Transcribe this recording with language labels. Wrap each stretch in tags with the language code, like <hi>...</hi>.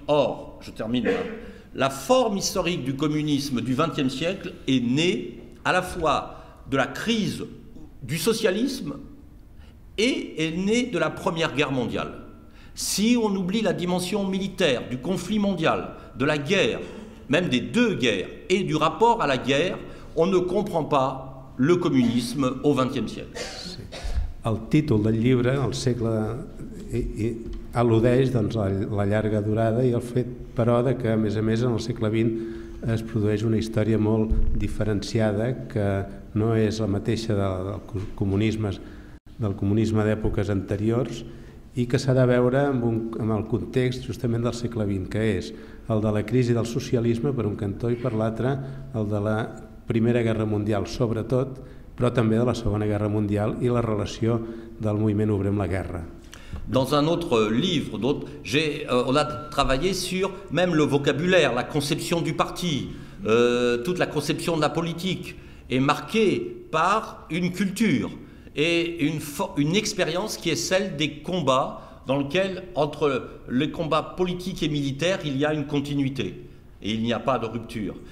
<fr>Or, je termine là, la forme historique du communisme du XXe siècle est née à la fois de la crise du socialisme et est née de la Première Guerre mondiale. Si on oublie la dimension militaire du conflit mondial, de la guerre, même des deux guerres, et du rapport à la guerre, on ne comprend pas le communisme au XXe siècle.</fr> <ca>Sí. El títol del llibre, el segle, al·ludeix doncs, la llarga durada i el fet, però, de que, a més, en el segle XX es produeix una història molt diferenciada que no és la mateixa del comunisme d'èpoques anteriors, i que s'ha de veure amb el context justament del segle XX, que és el de la crisi del socialisme per un cantó i per l'altre el de la Primera Guerra Mundial, sobretot, però també de la Segona Guerra Mundial i la relació del moviment obrer amb la guerra.</ca> <fr>Dans un autre livre, on a travaillé sur même le vocabulaire, la conception du parti, toute la conception de la politique est marquée par une culture et une expérience qui est celle des combats dans lesquels, entre les combats politiques et militaires, il y a une continuité et il n'y a pas de rupture.</fr>